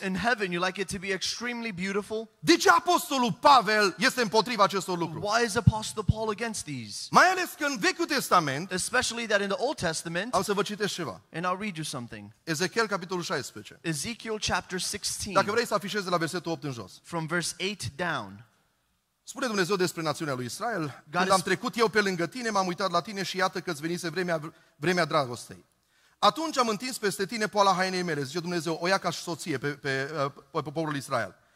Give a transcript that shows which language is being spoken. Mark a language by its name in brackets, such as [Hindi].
[English] In heaven you like it to be extremely beautiful. [Romanian] De ce apostolul Pavel este împotriva acestor lucruri? [English] Why is Apostle Paul against these? [Romanian] Mai ales că în Vechiul Testament, [English] especially that in the Old Testament. [Romanian] Am să vă citesc ceva. [English] And I'll read you something. [Romanian] Ezechiel capitolul 16. [English] Ezekiel chapter 16. [Romanian] Dacă vrei să afișezi de la versetul 8 în jos. [English] From verse 8 down. [Romanian] Spune Dumnezeu despre națiunea lui Israel, când am trecut eu pe lângă tine, m-am uitat la tine și iată că-ți venise vremea dragostei. Atunci am întins peste tine poala hainei mele, zice Dumnezeu, o ia ca și soție pe poporul Israel.